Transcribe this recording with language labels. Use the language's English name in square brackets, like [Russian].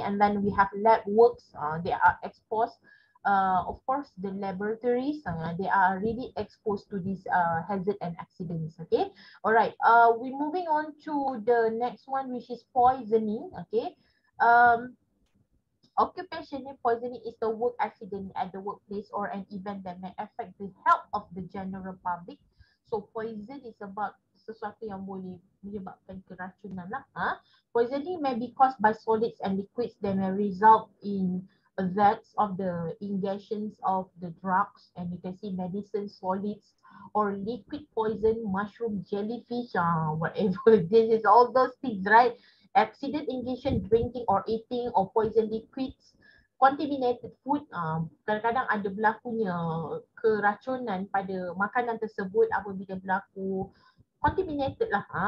[English] And then we have lab works, they are exposed, of course the laboratories, they are really exposed to these hazard and accidents, okay? All right, we're moving on to the next one, which is poisoning, okay? Occupational poisoning is the work accident at the workplace or an event that may affect the health of the general public. So poison is about [Malay] sesuatu yang boleh menyebabkan keracunan lah. [English] Poisoning may be caused by solids and liquids that may result in deaths of the ingestions of the drugs. And you can see medicine, solids or liquid poison, mushroom, jellyfish, whatever. This is all those things, right? Accident ingestion, drinking or eating or poison liquids, contaminated food, [Malay] kadang-kadang ada berlakunya keracunan pada makanan tersebut apabila berlaku [English] contaminated lah,